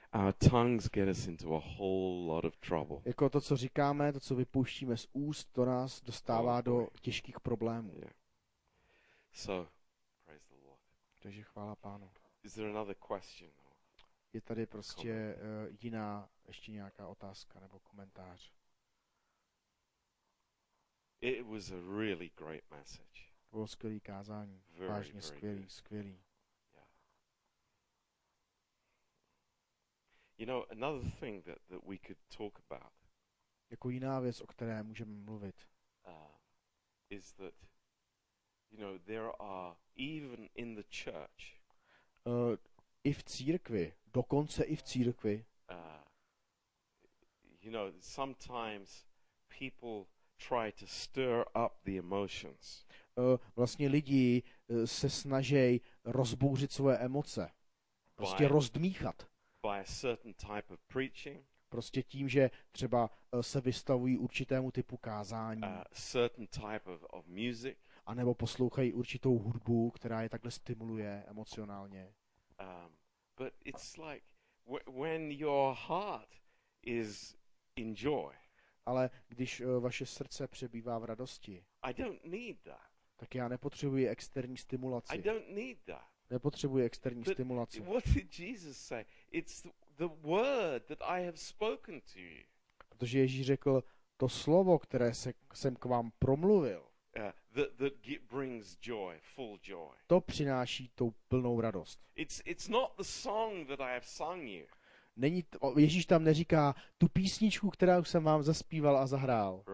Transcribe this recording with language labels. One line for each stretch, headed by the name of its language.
English: Our tongues get us into a whole lot of trouble.
Czech: Jako to, co říkáme, to, co vypouštíme z úst, to nás dostává do těžkých problémů.
English: So, praise the Lord.
Czech: Takže chvála Pánu.
English: Is there another question?
Czech: Je tady prostě jiná ještě nějaká otázka nebo komentář.
English: It was a really great message.
Czech: Bylo skvělý kázání.
English: Very, vážně very skvělý, good.
Czech: Skvělý.
English: You know, another thing that we could talk about.
Czech: Jako jiná věc, o které můžeme mluvit.
English: Is that, you know, there are even in the church.
Czech: I v církvi, dokonce i v církvi.
English: You know, sometimes people try to stir up the emotions.
Czech: Vlastně lidi se snaží rozbouřit svoje emoce. Prostě rozdmíchat.
English: By a certain type of preaching.
Czech: Prostě tím, že třeba se vystavují určitému typu kázání.
English: A certain type of music.
Czech: A nebo poslouchají určitou hudbu, která je takhle stimuluje emocionálně.
English: But it's like when your heart is in joy.
Czech: Ale když vaše srdce přebývá v radosti.
English: I don't need that.
Czech: Tak já nepotřebuji externí stimulaci.
English: I don't need that.
Czech: Nepotřebuje externí stimulaci.
English: What did Jesus say? It's the word that I have spoken to you.
Czech: Protože Ježíš řekl to slovo, které jsem k vám promluvil.
English: That brings joy, full joy.
Czech: To přináší tou plnou radost.
English: It's not the song that I have sung you.
Czech: Není to, Ježíš tam neříká tu písničku, kterou jsem vám zaspíval a zahrál.